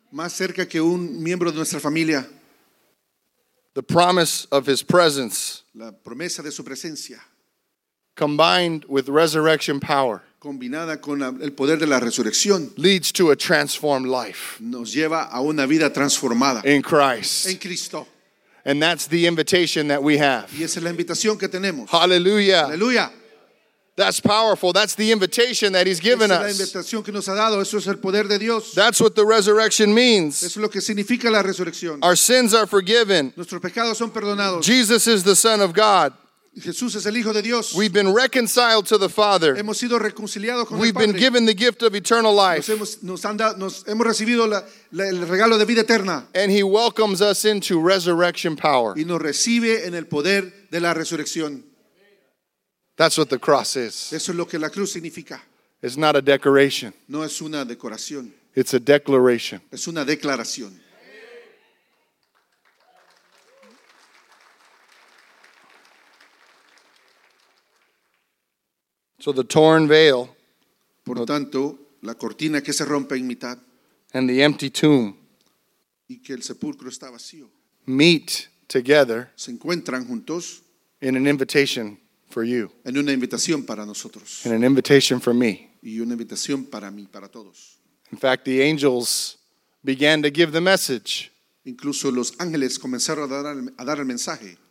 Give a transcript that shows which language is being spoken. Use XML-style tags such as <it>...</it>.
<es>Más cerca que un miembro de nuestra familia.</es> <en>The promise of his presence.</en> <es>La promesa de su presencia.</es> <en>Combined with resurrection power.</en> <es>Combinada con el poder de la resurrección,</es> <en>leads to a transformed life.</en> <es>Nos lleva a una vida transformada.</es> <en>In Christ.</en> <es>En Cristo.</es> <en>And that's the invitation that we have.</en> <es>Y esa es la invitación que tenemos.</es> <en>Hallelujah.</en> <es>Hallelujah.</es> <en>That's powerful. That's the invitation that he's given</en> <es>us. Esa es la invitación que nos ha dado. Eso es el poder de Dios.</es> <en>That's what the resurrection means.</en> <es>Eso es lo que significa la resurrección.</es> <en>Our sins are forgiven.</en> <es>Nuestros pecados son perdonados.</es> <en>Jesus is the Son of God.</en> <es>Jesús es el Hijo de Dios.</es> <en>We've been reconciled to the Father.</en> <es>Hemos sido reconciliados con el Padre.</es> <en>We've been given the gift of eternal life.</en> <es>Nos hemos recibido el regalo de vida eterna.</es> <en>And he welcomes us into resurrection power.</en> <es>Y nos recibe en el poder de la resurrección.</es> <en>That's what the cross is.</en> <es>Eso es lo que la cruz significa.</es> <en>It's not a decoration.</en> <es>No es una decoración.</es> <en>It's a declaration.</en> <es>Es una declaración.</es> <en>So the torn veil,</en> <es>por tanto, la cortina que se rompe en mitad,</es> <en>and the empty tomb,</en> <es>y que el sepulcro está vacío,</es> <en>meet together,</en> <es>se encuentran juntos,</es> <en>in an invitation for you,</en> <es>en una invitación para nosotros,</es> <en>in an invitation for me,</en> <es>y una invitación para mí, para todos.</es> <en>In fact, the angels began to give the message.</en> <es>Incluso los ángeles comenzaron a dar el mensaje.</es>